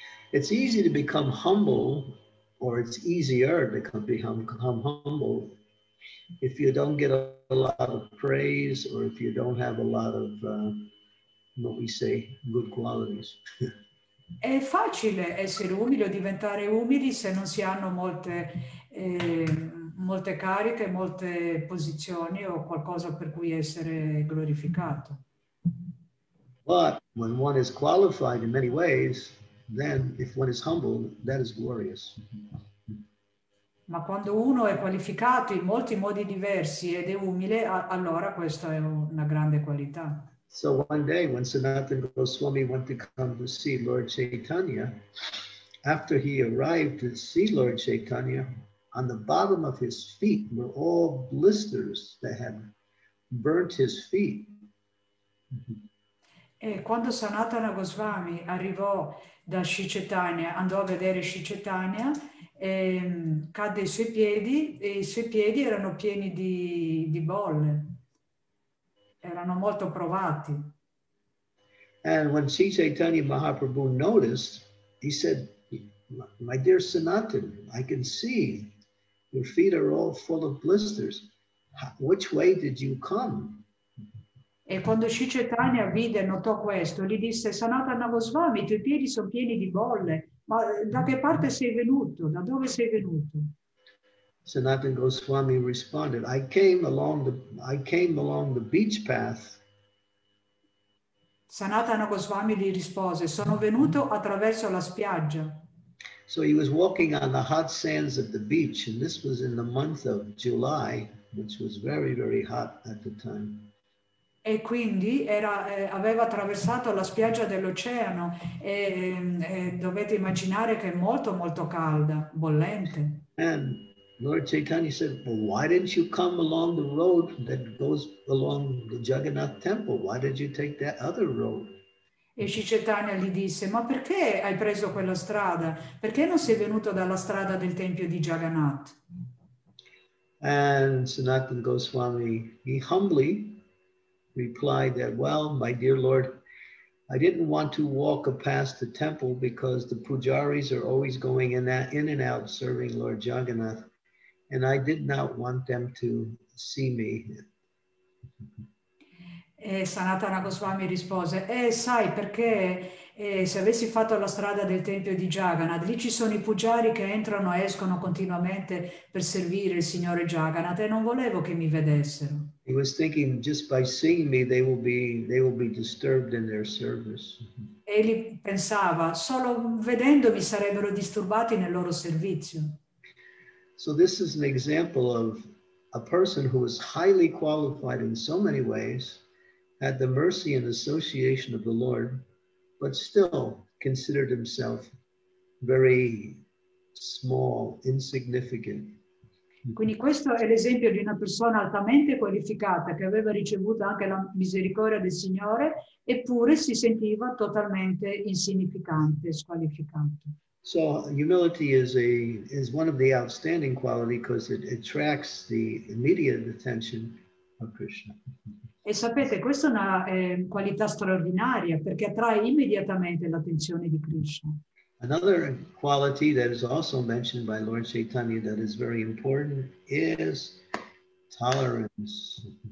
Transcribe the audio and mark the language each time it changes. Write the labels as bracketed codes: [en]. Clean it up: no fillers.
[en] It's easy to become humble, or it's easier to become humble if you don't get a lot of praise, or if you don't have a lot of good qualities. [it] È facile essere umile o diventare umili se non si hanno molte molte cariche, molte posizioni o qualcosa per cui essere glorificato. [en] But when one is qualified in many ways, then if one is humble, that is glorious. [it] Ma quando uno è qualificato in molti modi diversi ed è umile, allora questa è una grande qualità. [en] So one day when Sanatana Goswami went to come to see Lord Chaitanya, after he arrived to see Lord Chaitanya, on the bottom of his feet were all blisters that had burnt his feet. [it] E quando Sanatana Goswami arrivò da Sri Chaitanya, andò a vedere Sri Chaitanya, cadde i suoi piedi e i suoi piedi erano pieni di bolle. Erano molto provati. [en] And when Sri Chaitanya Mahaprabhu noticed, he said, "My dear Sanatan, I can see your feet are all full of blisters. Which way did you come?" [it] E quando Sri Chaitanya vide, notò questo, gli disse: "Sanatana Goswami, i tuoi piedi sono pieni di bolle. Ma da che parte sei venuto? Da dove sei venuto?" [en] Sanatana Goswami responded, I came along the beach path. [it] Sanatana Goswami gli rispose, sono venuto attraverso la spiaggia. [en] So he was walking on the hot sands of the beach, and this was in the month of July, which was very, very hot at the time. [it] E quindi aveva attraversato la spiaggia dell'oceano e dovete immaginare che è molto, molto calda, bollente. [en] And Lord Chaitanya said, "Well, why didn't you come along the road that goes along the Jagannath temple? Why did you take that other road?" [it] E Sri Chaitanya gli disse, "Ma perché hai preso quella strada? Perché non sei venuto dalla strada del tempio di Jagannath?" [en] And Sanatana Goswami, he humbly replied that, "Well, my dear Lord, I didn't want to walk past the temple because the pujaris are always going in and out serving Lord Jagannath. And I did not want them to see me." [it] E Sanatana Goswami rispose, sai perché E se avessi fatto la strada del tempio di Jagannath, lì ci sono i pujari che entrano e escono continuamente per servire il Signore Jagannath, e non volevo che mi vedessero. [en] He was thinking just by seeing me they will be disturbed in their service. [it] Egli pensava solo vedendomi sarebbero disturbati nel loro servizio. [en] So this is an example of a person who was highly qualified in so many ways, had the mercy and association of the Lord, but still considered himself very small, insignificant. [it] Quindi questo è l'esempio di una persona altamente qualificata che aveva ricevuto anche la misericordia del Signore, eppure si sentiva totalmente insignificante, squalificato. [en] So humility is one of the outstanding quality because it attracts the immediate attention of Krishna. [it] E sapete, questa è una qualità straordinaria perché attrae immediatamente l'attenzione di Krishna. [en] Another quality that is also mentioned by Lord Chaitanya that is very important is tolerance.